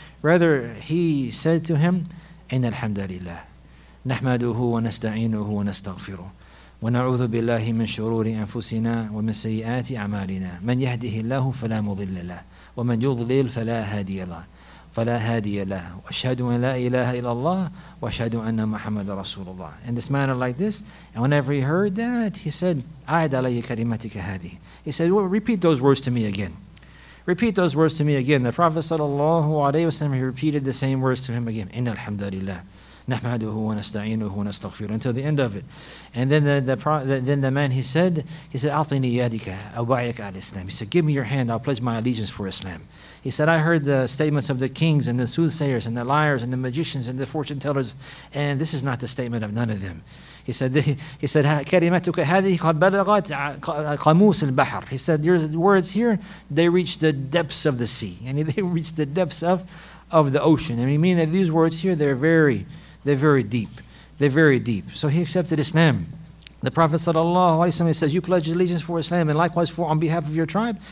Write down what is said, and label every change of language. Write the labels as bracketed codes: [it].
[en] Rather, he said to him, [ar] إِنَّ الْحَمْدَ لِلَّهِ نَحْمَدُهُ وَنَسْتَعِينُهُ وَنَسْتَغْفِرُهُ وَنَعُوذُ بِاللَّهِ مِنْ شُرُورِ أَنفُسِنَا وَمِنْ سَيِّئَاتِ أَعْمَالِنَا مَنْ يَهْدِهِ اللَّهُ فَلَا مُضِلَّ لَهُ وَمَنْ يُضْلِلْ فَلَا هَادِيَ لَهُ وَأَشْهَدُ أَنْ لَا إِلَٰهَ إِلَّا اللَّهُ وَأَشْهَدُ أَنَّ مُحَمَّدًا رَسُولُ اللَّهِ. [en] In this manner like this, and whenever he heard that, he said, [ar] أَعِدْ عَلَيَّ كَلِمَتِكَ هَذِهِ. [en] He said, well, repeat those words to me again. Repeat those words to me again. The Prophet sallallahu alayhi wa sallam, he repeated the same words to him again. [ar] إِنَّ الْحَمْدَ لِلَّهِ نَحْمَدُهُ وَنَسْتَعِينُهُ وَنَسْتَغْفِرُ. [en] Until the end of it. And then the man, he said, [ar] أَعْطِنِي يَدِكَ أَبَعِيَكَ عَلِ إِسْلَامِ. [en] He said, give me your hand, I'll pledge my allegiance for Islam. He said, I heard the statements of the kings and the soothsayers and the liars and the magicians and the fortune tellers, and this is not the statement of none of them. He said, [ar] كَلِمَتُكَ هَذِهِ قَدْ بَلَغَتْ قَمُوسِ الْبَحْرِ. [en] He said, your words here, they reach the depths of the sea. And they reach the depths of the ocean. And he mean that these words here, they're very deep. So he accepted Islam. The Prophet sallallahu alayhi wa sallam, he says, you pledge allegiance for Islam, and likewise for on behalf of your tribe.